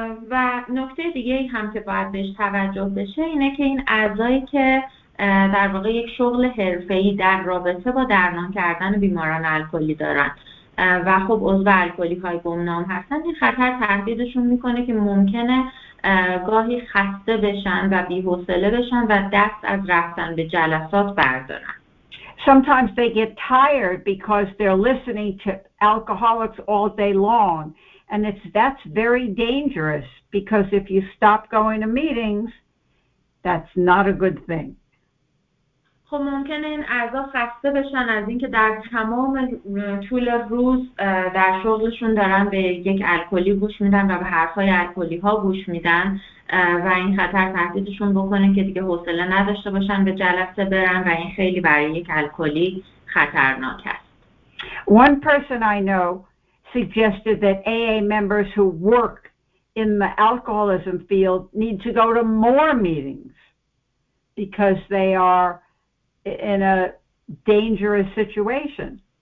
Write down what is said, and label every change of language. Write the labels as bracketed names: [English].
[Persian] و نکته دیگه ای هم که باید بهش توجه بشه اینه که این اعضایی که در واقع یک شغل حرفه‌ای در رابطه با درمان کردن بیماران الکلی دارن و خب عضو الکلی‌های گمنام هستن، این خطر تهدیدشون میکنه که ممکنه گاهی خسته بشن و بی‌حوصله بشن و دست از رفتن به جلسات بردارن. [English] Sometimes they get tired because they're listening to alcoholics all day long. And it's that's very dangerous, because if you stop going to meetings, that's not a good thing. [Persian] خب ممکنه این اعضا خسته بشن از اینکه در تمام طول روز در شغلشون دارن به یک الکلی گوش میدن و به حرفای الکلی ها گوش میدن و این خطر تهدیدشون بکنه که دیگه حوصله نداشته باشن به جلسه برن و این خیلی برای یک الکلی خطرناک است. [English] One person I know suggested that AA members who work in the alcoholism field need to go to more meetings because they are in a dangerous situation.